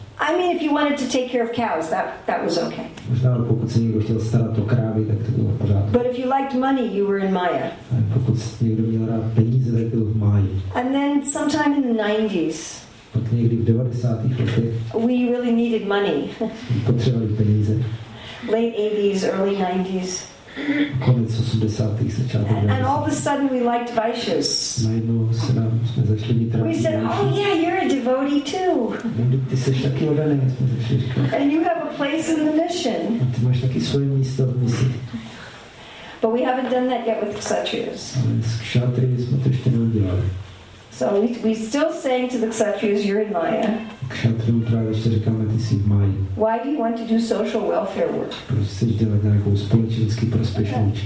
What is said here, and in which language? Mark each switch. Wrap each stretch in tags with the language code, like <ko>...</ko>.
<en>I mean, if you wanted to take care of cows, that was okay.</en> <cs>Možná, pokud se někdo chtěl starat o krávy, tak to bylo v pořádku.</cs> <en>But if you liked money, you were in Maya.</en> <cs>A pokud někdo měl rád peníze, tak byl v Maji.</cs> <en>And then sometime in the 90s.</en> <cs>Pak někdy v 90. letech.</cs> <en>We really needed money.</en> <cs>Potřebovali peníze.</cs> <en>Late 80s, early 90s.</en> <cs>Konec 80. začátek.</cs> <en>And all of a sudden we liked Vaishyas.</en> <cs>Najednou se nám jsme začali mít rádi.</cs> <en>We said, oh yeah, you're a devotee too.</en> <cs>Ty jsi taky oddaný, jsme začali říkat.</cs> <en>And you have a place in the mission.</en> <cs>A ty máš taky svoje místo v misi.</cs> <en>But we haven't done that yet with kshatriyas.</en> <cs>Ale s kshatriyy jsme to ještě neudělali.</cs> <en>So we still saying to the kshatriyas, you're in Maya.</en> <cs>Kshatriyům právě ještě říkáme, ty jsi v Maji.</cs> <en>Why do you want to do social welfare work?</en> <cs>Proč chceš dělat nějakou společenský prospěšnou činnost?</cs>